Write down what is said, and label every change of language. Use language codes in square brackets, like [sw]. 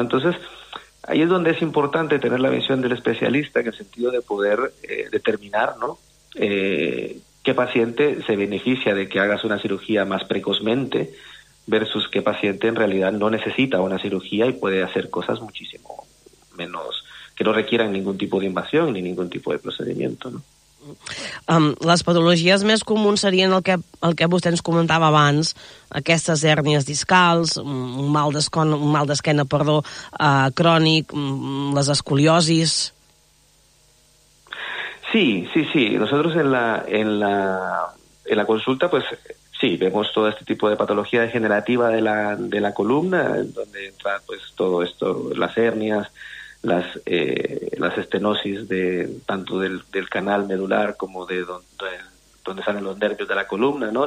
[es] Entonces, ahí es donde es importante tener la visión del especialista en el sentido de poder determinar, ¿no?, qué paciente se beneficia de que hagas una cirugía más precozmente versus qué paciente en realidad no necesita una cirugía y puede hacer cosas muchísimo menos, que no requieran ningún tipo de invasión ni ningún tipo de procedimiento, ¿no? [ca] Les patologies més comuns serien el que vostè ens comentava abans, aquestes hèrnies discals, un mal d'esquena crònic, les escoliosis. [es] Sí. Nosotros en la consulta, pues sí, vemos todo este tipo de patología degenerativa de la columna, donde entra pues todo esto, las hernias, las estenosis de tanto del canal medular como de donde salen los nervios de la columna, ¿no?